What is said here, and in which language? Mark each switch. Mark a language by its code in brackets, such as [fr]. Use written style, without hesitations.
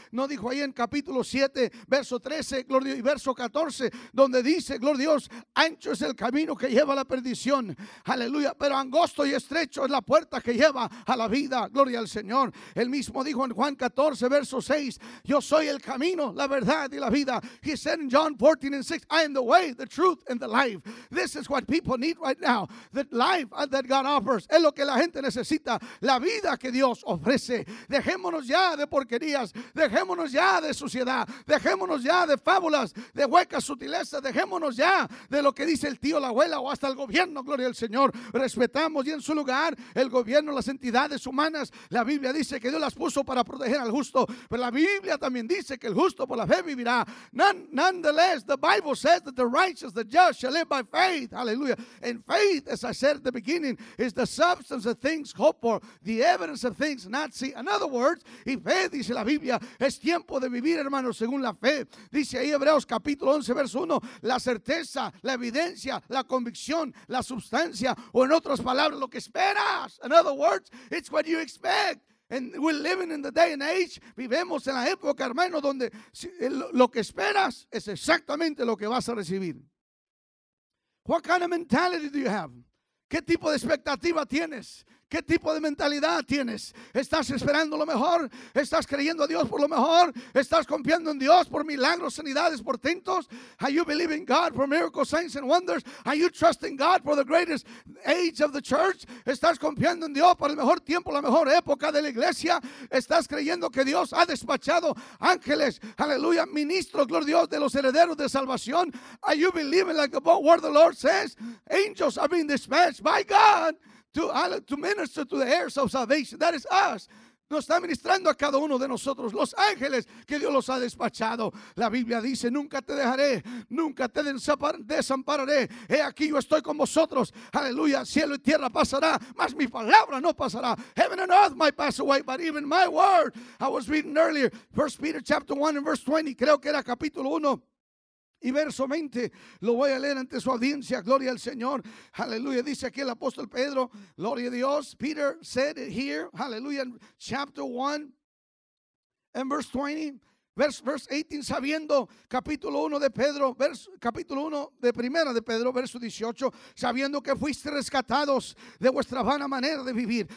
[es] No dijo ahí en capítulo 7, verso 13, gloria a Dios, y verso 14, donde dice, gloria a Dios, ancho es el camino que lleva a la perdición. Aleluya, pero angosto y estrecho es la puerta que lleva a la vida. Gloria al Señor. Él mismo dijo en Juan 14, verso 6, yo soy el camino, la verdad y la vida. [en] He said in John 14 and 6, I am the way, the truth and the life. This is what people need right now. The life that God offers. [es] Es lo que la gente gente necesita la vida que Dios ofrece. Dejémonos ya de porquerías, dejémonos ya de suciedad, dejémonos ya de fábulas, de huecas sutilezas, dejémonos ya de lo que dice el tío, la abuela o hasta el gobierno, gloria al Señor. Respetamos y en su lugar el gobierno, las entidades humanas. La Biblia dice que Dios las puso para proteger al justo, pero la Biblia también dice que el justo por la fe vivirá. [en] Nonetheless, the Bible says that the righteous, the just shall live by faith. Hallelujah. And faith, as I said at the beginning, is the substance of things hoped for, the evidence of things not seen. In other words, [es] y fe, dice la Biblia, es tiempo de vivir, hermanos, según la fe. Dice ahí Hebreos capítulo 11, verso 1, la certeza, la evidencia, la convicción, la sustancia, o en otras palabras, lo que esperas. [en] In other words, it's what you expect. And we're living in the day and age, [es] vivemos en la época, hermano, donde lo que esperas es exactamente lo que vas a recibir. [en] What kind of mentality do you have? [es] ¿Qué tipo de expectativa tienes? ¿Qué tipo de mentalidad tienes? ¿Estás esperando lo mejor? ¿Estás creyendo a Dios por lo mejor? ¿Estás confiando en Dios por milagros, sanidades, portentos? [en] Are you believing God for miracles, signs and wonders? Are you trusting God for the greatest age of the church? [es] ¿Estás confiando en Dios por el mejor tiempo, la mejor época de la iglesia? ¿Estás creyendo que Dios ha despachado ángeles, aleluya, ministros, gloria a Dios, de los herederos de salvación? [en] Are you believing like the word the Lord says? Angels are being dispatched by God to minister to the heirs of salvation. That is us. [es] Nos está ministrando a cada uno de nosotros, los ángeles que Dios los ha despachado. La Biblia dice, nunca te dejaré, nunca te desampararé. He aquí, yo estoy con vosotros. Aleluya, cielo y tierra pasará, mas mi palabra no pasará. [en] Heaven and earth might pass away, but even my word. I was reading earlier, 1 Peter chapter 1 and verse 20. [es] Creo que era capítulo 1. Y verso 20, lo voy a leer ante su audiencia, gloria al Señor, aleluya. Dice aquí el apóstol Pedro, gloria a Dios, [en] Peter said it here, [es] aleluya, [en] chapter 1, and verse 20, [es] verse 18, sabiendo, capítulo 1 de Pedro, capítulo 1 de primera de Pedro, verso 18, sabiendo que fuiste rescatados de vuestra vana manera de vivir.